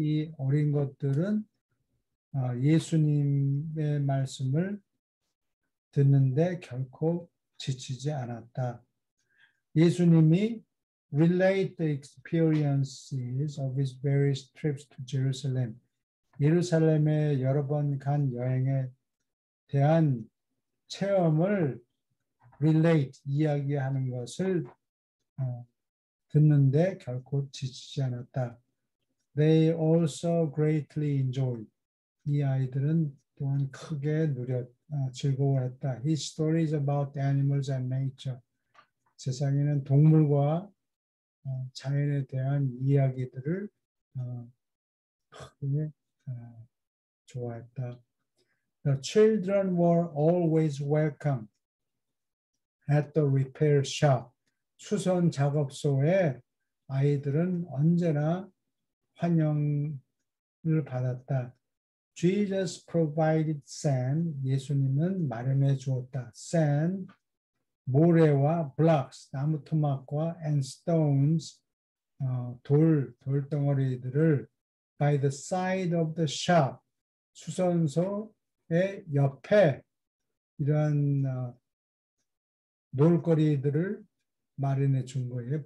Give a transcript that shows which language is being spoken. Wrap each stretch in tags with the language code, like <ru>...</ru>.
<ko>이 어린 것들은 예수님의 말씀을 듣는데 결코 지치지 않았다. 예수님이</ko> <en>relate the experiences of his various trips to Jerusalem.</en> <ko>예루살렘에 여러 번 간 여행에 대한 체험을 relate, 이야기하는 것을 듣는데 결코 지치지 않았다.</ko> <en>They also greatly enjoyed.</en> <ko>이 아이들은 또한 크게 즐거워했다.</ko> <en>His stories about animals and nature.</en> <ko>세상에는 동물과 자연에 대한 이야기들을 크게 좋아했다.</ko> <en>The children were always welcome at the repair shop.</en> <ko>수선 작업소에 아이들은 언제나 환영을 받았다.</ko> <en>Jesus provided sand.</en> <ko>예수님은 마련해 주었다.</ko> <en>Sand,</en> <ko>모래와</ko> <en>blocks,</en> <ko>나무토막과</ko> <en>and stones,</en> <ko>돌덩어리들을</ko> <en>by the side of the shop,</en> <ko>수선소의 옆에 이러한 놀거리들을 마련해 준 거예요.</ko>